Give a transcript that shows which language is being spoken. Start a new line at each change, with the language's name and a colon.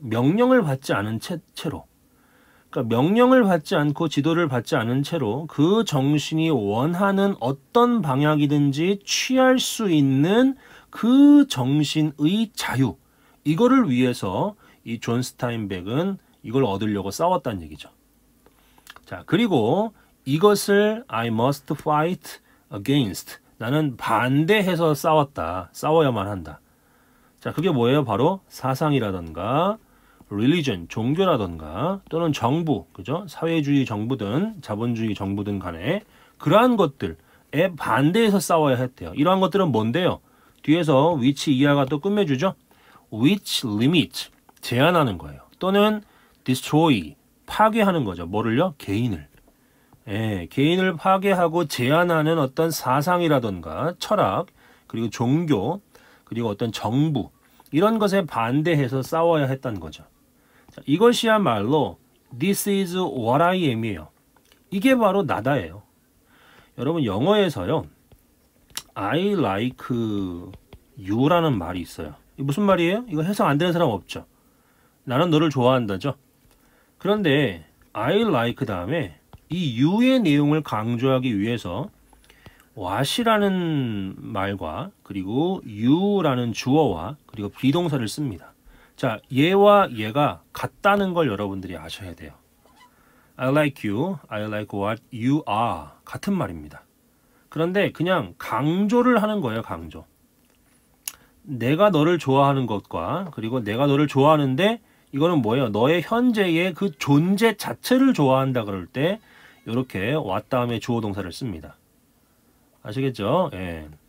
Korean: 명령을 받지 않은 채로. 그러니까 명령을 받지 않고 지도를 받지 않은 채로 그 정신이 원하는 어떤 방향이든지 취할 수 있는 그 정신의 자유. 이거를 위해서 이 존 스타인백은 이걸 얻으려고 싸웠다는 얘기죠. 자, 그리고 이것을
English: I must fight against.
Korean: 나는 반대해서 싸웠다. 싸워야만 한다. 자, 그게 뭐예요? 바로 사상이라던가 religion, 종교라던가 또는 정부, 그죠? 사회주의 정부든 자본주의 정부든 간에 그러한 것들에 반대해서 싸워야 했대요. 이러한 것들은 뭔데요? 뒤에서 which 이하가 또 꾸며주죠? which limits, 제한하는 거예요. 또는 destroy, 파괴하는 거죠. 뭐를요? 개인을. 예, 개인을 파괴하고 제한하는 어떤 사상이라던가 철학, 그리고 종교, 그리고 어떤 정부 이런 것에 반대해서 싸워야 했다는 거죠. 자, 이것이야말로
English: this is what I am이에요.
Korean: 이게 바로 나다예요. 여러분 영어에서요.
English: I like you
Korean: 라는 말이 있어요. 이게 무슨 말이에요? 이거 해석 안 되는 사람 없죠. 나는 너를 좋아한다죠. 그런데 I like 다음에 이 you의 내용을 강조하기 위해서 what이라는 말과 그리고 you라는 주어와 그리고 비동사를 씁니다. 자, 얘와 얘가 같다는 걸 여러분들이 아셔야 돼요.
English: I like you, I like what you are.
Korean: 같은 말입니다. 그런데 그냥 강조를 하는 거예요, 강조. 내가 너를 좋아하는 것과 그리고 내가 너를 좋아하는데 이거는 뭐예요? 너의 현재의 그 존재 자체를 좋아한다 그럴 때 이렇게 what 다음에 주어 동사를 씁니다. 아시겠죠? 예.